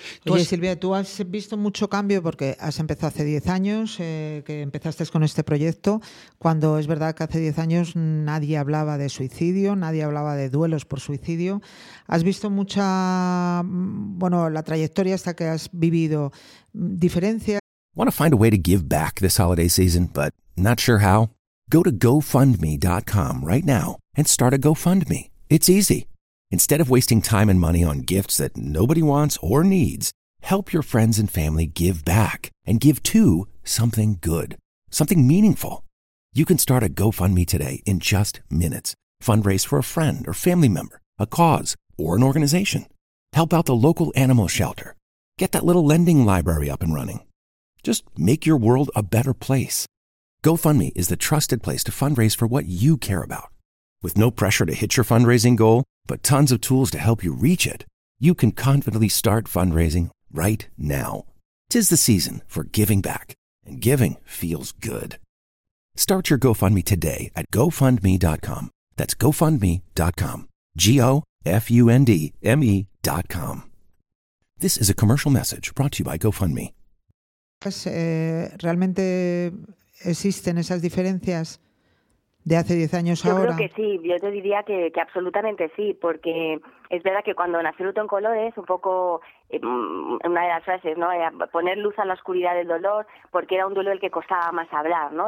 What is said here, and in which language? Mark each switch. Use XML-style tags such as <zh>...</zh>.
<es>Oye, Silvia, tú has visto mucho cambio porque has empezado hace 10 años, que empezaste con este proyecto, cuando es verdad que hace 10 años nadie hablaba de suicidio, nadie hablaba de duelos por suicidio. ¿Has visto mucha, bueno, la trayectoria hasta que has vivido diferencias?</es> <en>Want to find a way to give back this holiday season, but not sure how? Go to GoFundMe.com right now and start a GoFundMe. It's easy. Instead of wasting time and money on gifts that nobody wants or needs, help your friends and family give back and give to something good, something meaningful. You can start a GoFundMe today in just minutes. Fundraise for a friend or family member, a cause, or an organization. Help out the local animal shelter. Get that little lending library up and running. Just make your world a better place. GoFundMe is the trusted place to fundraise for what you care about. With no pressure to hit your fundraising goal, but tons of tools to help you reach it, you can confidently start fundraising right now. 'Tis the season for giving back, and giving feels good. Start your GoFundMe today at GoFundMe.com. That's GoFundMe.com. GoFundMe.com. This is a commercial message brought to you by GoFundMe.</en> <es>Realmente existen esas diferencias de hace 10 años ahora. Yo creo que sí, yo te diría que absolutamente sí, porque es verdad que cuando nace Luto en Colores, un poco, una de las frases, ¿no? Era poner luz a la oscuridad del dolor, porque era un duelo el que costaba más hablar, ¿no?</es>